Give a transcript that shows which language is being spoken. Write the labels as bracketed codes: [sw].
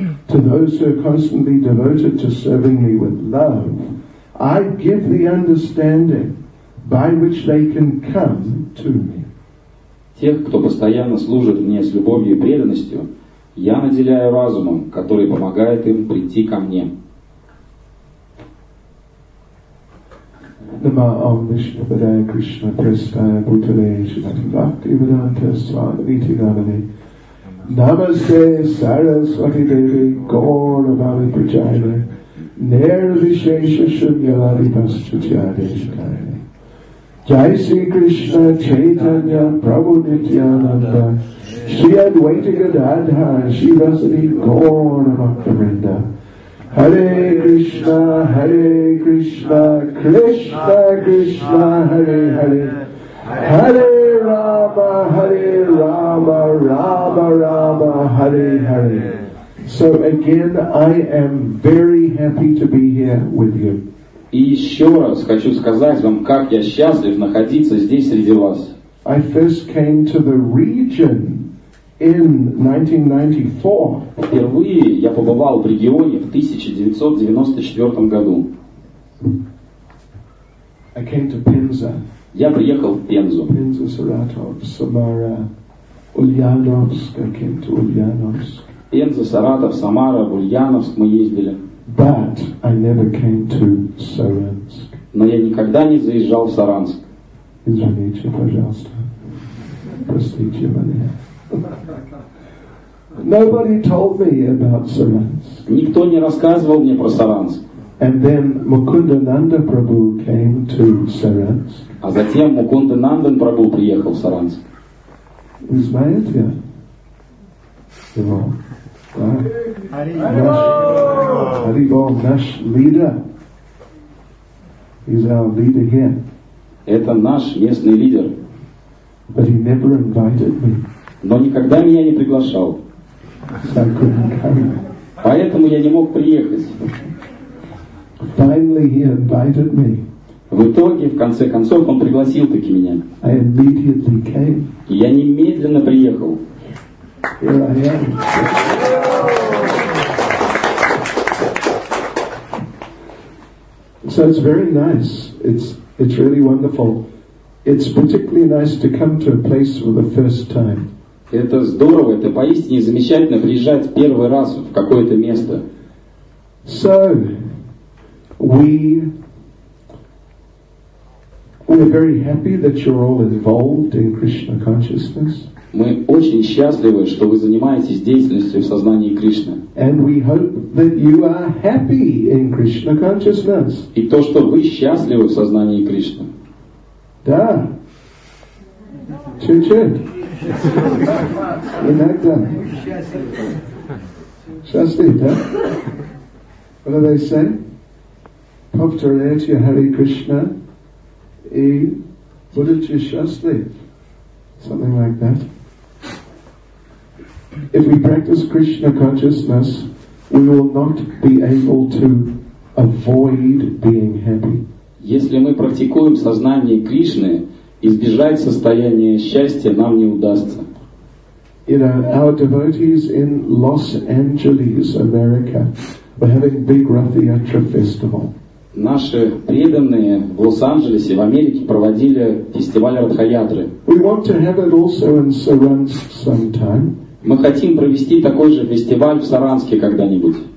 [en] To those who are constantly devoted to serving me with love, I give the understanding by which they can come to me. [ru] Тех, кто постоянно служит мне с любовью и преданностью, я наделяю разумом, который помогает им прийти ко мне. [sa] Нама Ом Вишну Падая Кришна Престая Бутале Шимати Бхакти Веданта Свамити Гамани. Namaste Saraswati Devi Gaura Bhavi Prajaya Nirvishesha Shunyavadi Paschutyadeshkaya Jai Sri Krishna Chaitanya Prabhu Nityananda Shri Advaita Gadadhar Shivasani Gaura Bhaktivinoda Hare Krishna Hare Krishna Krishna Krishna Hare Hare Hare Rama, Hare Rama, Rama Rama, Hare Hare. [en] So again, I am very happy to be here with you. [ru] И еще раз хочу сказать вам, как я счастлив находиться здесь среди вас. [en] I first came to the region in 1994. [ru] Впервые я побывал в регионе в 1994 году. [en] I came to Penza. [ru] Я приехал в Пензу. [en] Пенза, Саратов, Самара, Ульяновск, I came to Ульяновск. [ru] Пенза, Саратов, Самара, Ульяновск мы ездили. [en] But I never came to Саранск. [ru] Но я никогда не заезжал в Саранск. Извините, пожалуйста. Простите меня. [en] Nobody told me about Саранск. [ru] Никто не рассказывал мне про Саранск. [en] And then Mukunda Nanda Prabhu came to Saransk. [ru] А затем Мукунда Нандан Прабху приехал в Саранск. [en] Is my idea? Hello. Hello. Haribo, [ru] наш [en] leader. He's our leader here. [ru] Это наш местный лидер. [en] But he never invited me. [ru] Но никогда меня не приглашал. [en] So I couldn't come. [ru] Поэтому я не мог приехать. [en] Finally he invited me. [ru] В итоге, в конце концов, он пригласил таки меня. [en] I immediately came. [ru] Я немедленно приехал. [en] Here I am. So it's very nice. It's really wonderful. It's particularly nice to come to a place for the first time. [ru] Это здорово, это поистине замечательно приезжать первый раз в какое-то место. [en] So We are very happy that you're all involved in Krishna consciousness. [ru] Мы очень счастливы, что вы занимаетесь деятельностью в сознании Кришны. [en] And we hope that you are happy in Krishna consciousness. [ru] И то, что вы счастливы в сознании Кришны. Да. Чин-чин. Иногда. Счастливы, да? [en] What do they say? [ru] Повторяйте Hare Krishna и будете счастливы. [en] Something like that. If we practice Krishna consciousness, we will not be able to avoid being happy. [ru] Если мы практикуем сознание Кришны, избежать состояния счастья нам не удастся. [en] You know, our devotees in Los Angeles, America, were having big Ratha Yatra festival. [ru] Наши преданные в Лос-Анджелесе, в Америке, проводили фестиваль Радхаятры. [en] We want to have it also in Saransk sometime. [ru] Мы хотим провести такой же фестиваль в Саранске когда-нибудь.